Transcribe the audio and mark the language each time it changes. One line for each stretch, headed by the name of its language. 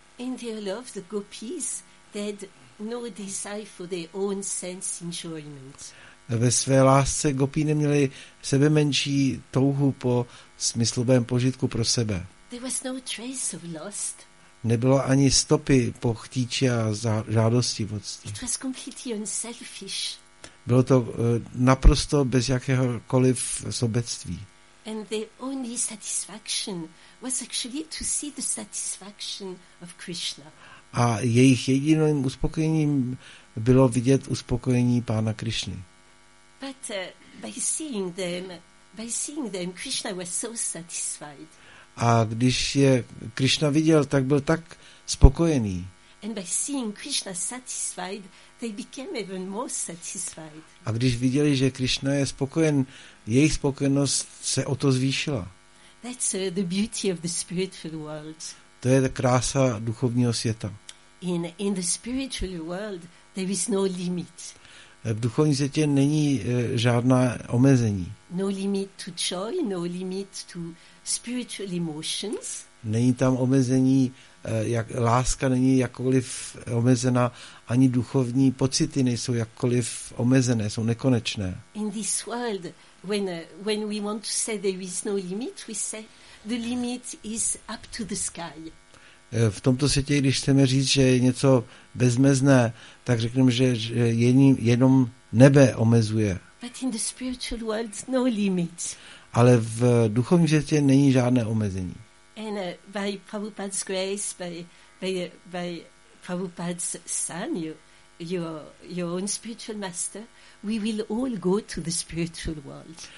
English: In their love, the gopis, they had no desire for their own sense enjoyment.
Czech: Ve své lásce gopí neměli sebemenší touhu po smyslovém požitku pro sebe.
English: There was no trace of lust.
Czech: Nebylo ani stopy po chtíči a žádostivosti.
English: It was completely unselfish.
Czech: Bylo to naprosto bez jakéhokoliv sobectví.
English: And the only satisfaction was actually to see the satisfaction of Krishna.
Czech: A jejich jediným uspokojením bylo vidět uspokojení Pána Krišny.
English: But by seeing them, Krishna was so satisfied.
Czech: A když je Krishna viděl, tak byl tak spokojený.
English: And by seeing Krishna satisfied, they became even more satisfied.
Czech: A když viděli, že Krishna je spokojen, jejich spokojenost se o to zvýšila.
English: That's the beauty of the spiritual world.
Czech: To je ta krása duchovního světa.
English: In the spiritual world there is no limit.
Czech: V duchovní světě není žádná omezení.
English: No limit to joy, no limit to spiritual emotions.
Czech: Není tam omezení, jak láska není jakkoliv omezena, ani duchovní pocity nejsou jakkoliv omezené, jsou nekonečné.
English: In this world, when we want to say there is no limit, we say the limit is up to the sky.
Czech: V tomto světě, když chceme říct, že je něco bezmezné, tak řekneme, že jenom nebe omezuje.
English: But in the spiritual world, no limit.
Czech: Ale v duchovním světě není žádné omezení.
English: And by Prabhupada's grace, by Prabhupada's son, your own spiritual master, we will all go to the spiritual world.